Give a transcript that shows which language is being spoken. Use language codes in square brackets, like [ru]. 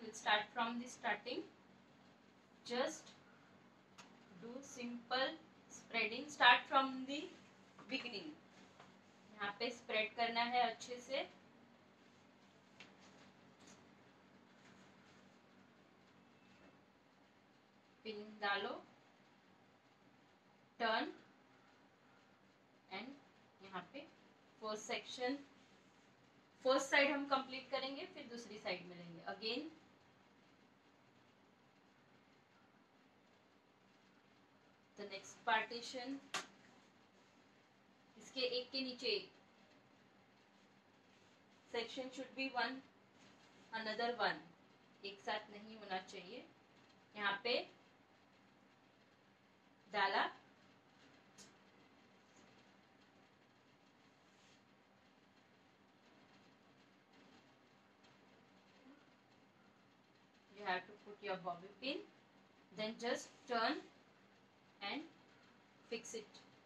[en] We'll start from the starting. Just do simple spreading. Start from the beginning. [hi] यहाँ पे spread करना है अच्छे से. Pin डालो. [en] Turn. [hi] यहाँ पे फर्स्ट सेक्शन, फर्स्ट साइड हम कंप्लीट करेंगे, फिर दूसरी साइड मिलेंगे. [en] again the next partition, [hi] इसके एक के नीचे [en] Section should be one another one. [hi] एक साथ नहीं होना चाहिए, यहाँ पे डाला [en] you have to put your bobby pin, then just turn and fix it.